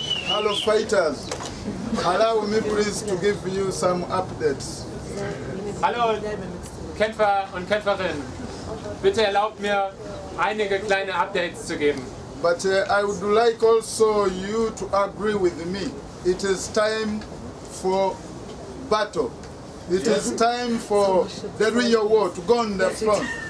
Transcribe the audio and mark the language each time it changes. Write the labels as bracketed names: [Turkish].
[English] Allow me please to give you some updates. [German] Hallo Kämpfer und Kämpferinnen, bitte erlaubt mir einige kleine Updates zu geben. [English] But I would like also you to agree with me. It is time for battle. It is time for the real war to go on the front.